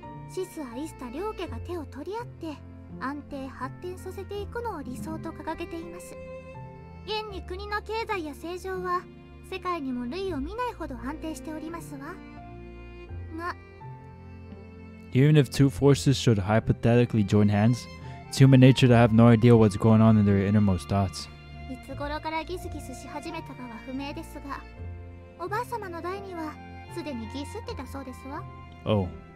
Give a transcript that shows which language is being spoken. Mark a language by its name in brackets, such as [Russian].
[Japanese] シスアイスタ両家が手を取り合って安定発展させていくのを理想と掲げています。現に国の経済や政情は世界にも類を見ないほど安定しておりますわ。が、 [English] Even if two forces should hypothetically join hands, it's human nature to have no idea what's going on in their innermost thoughts. [Japanese] いつ頃からギスギスし始めたかは不明ですが、おばあ様の代にはすでにギスってたそうですわ。 [English] Oh.